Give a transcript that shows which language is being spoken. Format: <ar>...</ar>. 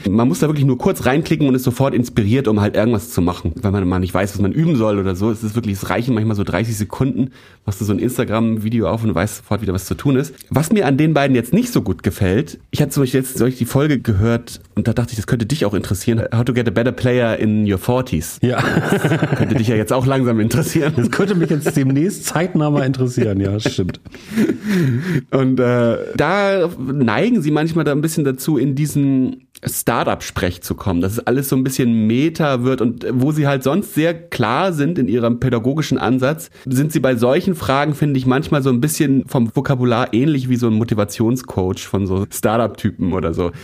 <de>Man muss da wirklich nur kurz reinklicken und ist sofort inspiriert, um halt irgendwas zu machen. Wenn man mal nicht weiß, was man üben soll oder so. Es ist wirklich, es reichen manchmal so 30 Sekunden, machst du so ein Instagram-Video auf und weißt sofort wieder, was zu tun ist. Was mir an den beiden jetzt nicht so gut gefällt, ich hatte zum Beispiel jetzt die Folge gehört und da dachte ich, das könnte dich auch interessieren.</de> <en>How to get a better player in your 40s.</en> <de>Ja. Das könnte dich ja jetzt auch langsam interessieren. Das könnte mich jetzt demnächst zeitnah mal interessieren, ja, stimmt. Und da neigen sie manchmal da ein bisschen dazu, in diesen Startup-Sprech zu kommen, dass es alles so ein bisschen Meta wird und wo sie halt sonst sehr klar sind in ihrem pädagogischen Ansatz, sind sie bei solchen Fragen, finde ich, manchmal so ein bisschen vom Vokabular ähnlich wie so ein Motivationscoach von so Startup-Typen oder so.</de>